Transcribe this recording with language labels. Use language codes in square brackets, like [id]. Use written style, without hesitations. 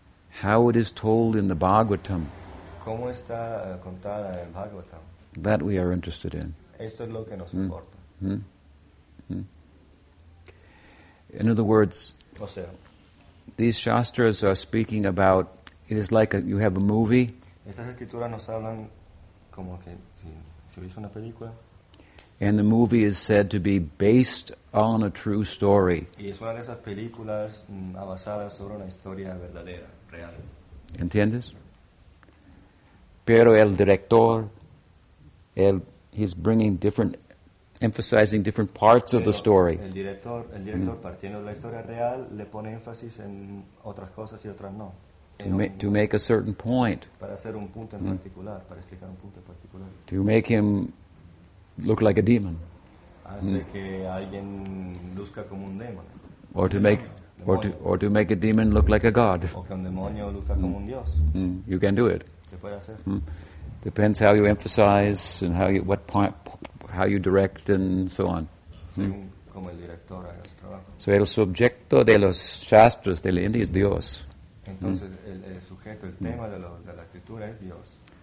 [en] How it is told in the Bhagavatam, [es] ¿cómo está contada en Bhagavatam? [en] That we are interested in. [es] Esto es lo que nos importa. [en] In other words, [es] o sea, [en] these Shastras are speaking about, it is like you have a movie. [es] Estas escrituras nos hablan como que si hubiese una película. [en] And the movie is said to be based on a true story. [es] Y es una de esas películas basadas sobre una historia verdadera, real. ¿Entiendes? Pero el director, [en] he's bringing different, emphasizing different parts of the story. [es] El director partiendo de la historia real, le pone énfasis en otras cosas y otras no. [en] To make a certain point. [es] Para hacer un punto en particular, para explicar un punto en particular. [en] To make him look like a demon. [es] Hace que alguien luzca como un demonio. [en] Or to make a demon look like a god. [es] O que un demonio luzca como un dios. [en] You can do it. [es] Se puede hacer. [en] Depends how you emphasize and how you direct and so on. [es] Según como el director haga su trabajo. So el subjecto de los Shastras del India es Dios. Entonces el sujeto, el tema de la escritura es Dios.